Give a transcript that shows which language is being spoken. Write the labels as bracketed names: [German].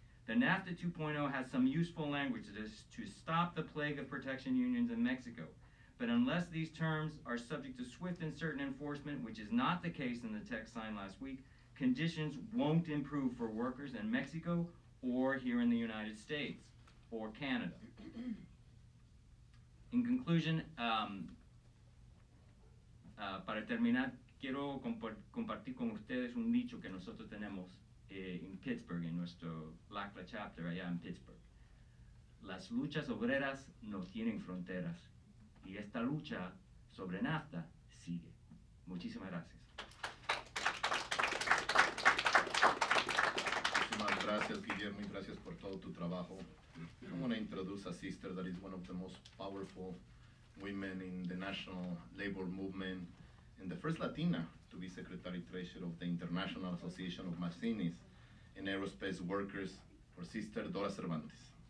[English] The NAFTA 2.0 has some useful language to stop the plague of protection unions in Mexico. But unless these terms are subject to swift and certain enforcement, which is not the case in the text signed last week, conditions won't improve for workers in Mexico or here in the United States or Canada. In conclusion, [Spanish] para terminar, quiero compartir con ustedes un dicho que nosotros tenemos en Pittsburgh, en nuestro LACLA chapter allá en Pittsburgh. Las luchas obreras no tienen fronteras. Y esta lucha sobre NAFTA sigue. Muchísimas gracias. Muchísimas gracias, Guillermo, y gracias por todo tu trabajo. [English] I want to introduce a sister that is one of the most powerful women in the national labor movement and the first Latina to be secretary treasurer of the International Association of Machinists and Aerospace Workers, for Sister Dora Cervantes.